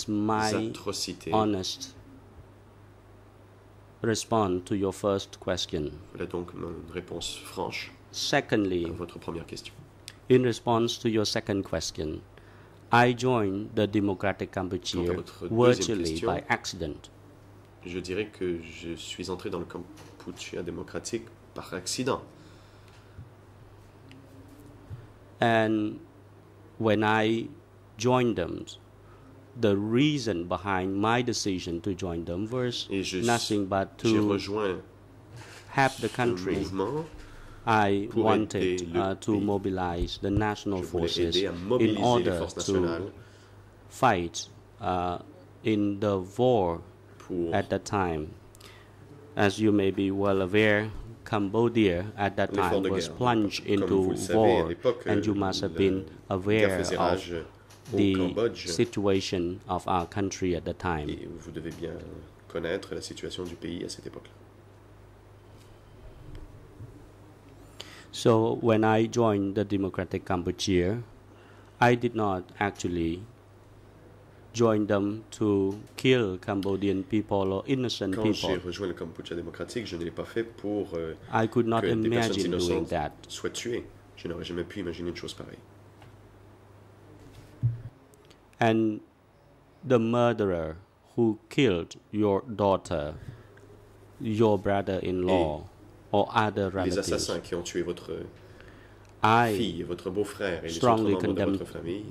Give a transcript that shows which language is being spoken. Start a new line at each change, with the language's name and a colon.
English: Is my honest response to your first question.
French: Voilà donc ma réponse franche.
English: Secondly,
French: à votre première question.
English: In response to your second question, I joined the Democratic Cambodia virtually by accident.
French: Je dirais que je suis entré dans le Cambodge démocratique par accident.
English: And when I joined them, the reason behind my decision to join them was nothing but to help the country. I wanted to mobilize the national forces in order to fight in the war. At that time, as you may be well aware, Cambodia at that time was plunged into war, and you must have been aware of the situation of our country at the time.
French: Vous devez bien connaître la situation du pays à cette époque.
English: So when I joined the Democratic Cambodia, I did not actually join them to kill Cambodian people or innocent
French: Quand
English: people.
French: Quand j'ai rejoint le Cambodge démocratique, je ne l'ai pas fait pour
English: I could not
French: que imagine des personnes innocentes soient tuées. Je n'aurais jamais pu imaginer une chose pareille.
English: And the murderer who killed your daughter, your brother-in-law,
French: et
English: or other relatives.
French: Les assassins qui ont tué votre fille, votre beau-frère et les autres membres de votre famille.